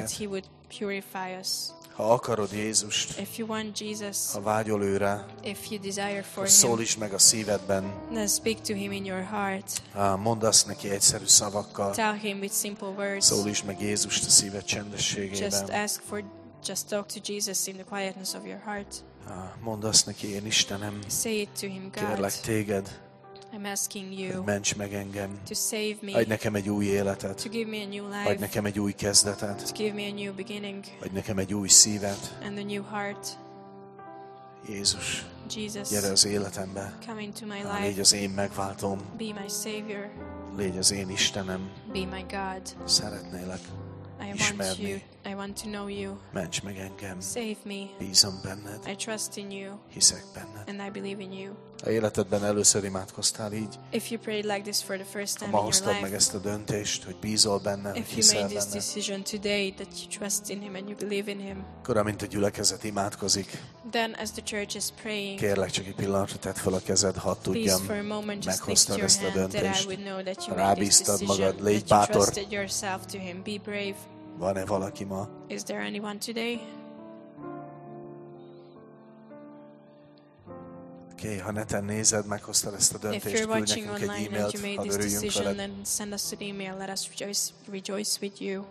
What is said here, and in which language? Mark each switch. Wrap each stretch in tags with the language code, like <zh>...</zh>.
<en>That he would purify us.</en> <hu>Ha akarod Jézust,</hu> <en>if you want Jesus,</en> <hu>ha vágyol őre,</hu> <en>if you desire for him,</en> <hu>szólíts meg a szívedben,</hu> <en>then speak to him in your heart.</en> <hu>Mondd azt neki egyszerű szavakkal.</hu> <en>Tell him with simple words.</en> <hu>Szólíts meg Jézust a szíved csendességében.</hu> <en>Just talk to Jesus in the quietness of your heart.</en> <hu>Mondd azt neki, én Istenem,</hu> <en>say it to him, God,</en> <hu>kérlek téged,</hu> <en>I'm asking you,</en> <hu>hogy ments meg engem,</hu> <en>to save me,</en> <hu>adj nekem egy új életet,</hu> <en>to give me a new life,</en> <hu>adj nekem egy új kezdetet,</hu> <en>to give me a new beginning,</en> <hu>adj nekem egy új szívet,</hu> <en>and a new heart.</en> <hu>Jézus,</hu> <en>Jesus,</en> <hu>gyere az életembe,</hu> <en>come into my life,</en> <hu>légy az én megváltóm,</hu> <en>be my savior,</en> <hu>légy az én Istenem,</hu> <en>be my God.</en> <hu>Szeretnélek.</hu> <en>I want you. I want to know you.</en> <hu>Ments meg engem.</hu> <en>Save me.</en> <hu>Bízom benned.</hu> <en>I trust in you.</en> <hu>Hiszek benned.</hu> <en>And I believe in you.</en> <hu>Ha életedben először imádkoztál így.</hu> <en>If you prayed like this for the first time in your life.</en> <hu>Ha ma hoztad meg ezt a döntést, hogy bízol benned, hogy hiszel benned.</hu> <en>If you made this decision today that you trust in him and you believe in him.</en> <hu>Akkor, amint a gyülekezet imádkozik.</hu> <en>Then as the church is praying.</en> <hu>Kérlek csak egy pillanatra tedd fel a kezed, ha tudjam.</hu> <en>Please for a moment just lift your</en> <hu>ezt a döntést.</hu> <en>That I would know that you made this decision.</en> <hu>Magad, légy bátor.</hu> <en>Trusted yourself to him. Be brave.</en> <hu>Van-e valaki ma?</hu> <en>Is there anyone today?</en> <hu>Oké, ha neten nézed, meghoztad ezt a döntést, küld nekünk egy e-mailt, hadd örüljünk veled.</hu> <en>Then send us an email, let us rejoice with you.</en>